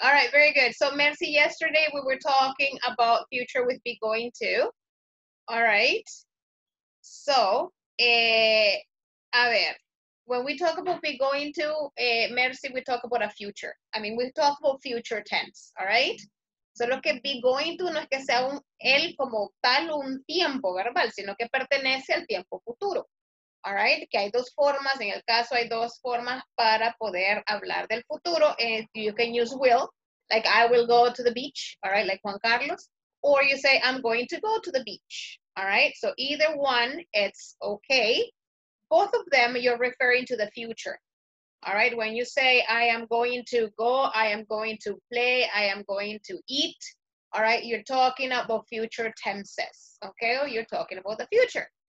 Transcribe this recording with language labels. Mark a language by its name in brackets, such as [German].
[English] All right, very good. So, Mercy, yesterday we were talking about future with be going to. All right. So, [Spanish] a ver, [English] when we talk about be going to, Mercy, we talk about a future. I mean, we talk about future tense, all right? [Spanish] Solo que be going to no es que sea él como tal un tiempo verbal, sino que pertenece al tiempo futuro. All right, que hay dos formas, en el caso hay dos formas para poder hablar del futuro. [English] You can use will, like I will go to the beach, all right, like Juan Carlos. Or you say, I'm going to go to the beach, all right. So either one, it's okay. Both of them, you're referring to the future, all right. When you say, I am going to go, I am going to play, I am going to eat, all right, you're talking about future tenses, okay, you're talking about the future.